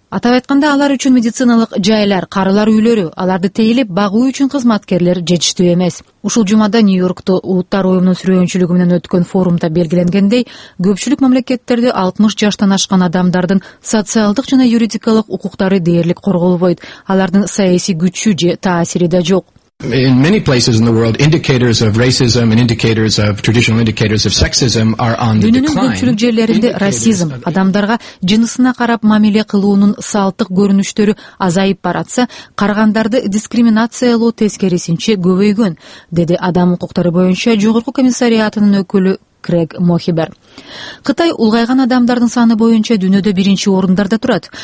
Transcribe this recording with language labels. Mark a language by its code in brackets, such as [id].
[ky] Атап айтканда, алар үчүн медициналык жайлар, карылар үйлөрү, аларды тейилип багуу үчүн кызматкерлер жетиштүү эмес. Ушул жумада Нью-Йоркто Улуттар уюмунун сүрөөнчүлүгү менен өткөн форумда белгиленгендей, көпчүлүк мамлекеттерде 60 жаштан ашкан адамдардын социалдык жана юридикалык укуктары дээрлик корголбойт. Алардын саясий күчү же таасири да жок. [en] In many places in the world, indicators of racism and indicators of traditional indicators of sexism are on the decline. [ky] Дүйнөнүн көпчүлүк жерлеринде расизм, адамдарга жынысына карап мамиле кылуунун салттык көрүнүштөрү азайып баратса, каргандарды дискриминациялоо тескерисинче көбөйгөн, деди адам укуктары боюнча жогорку комиссариатынын өкүлү Крэг Мохибер. Кытай улгайган адамдардын саны боюнча дүйнөдө биринчи орундарда турат.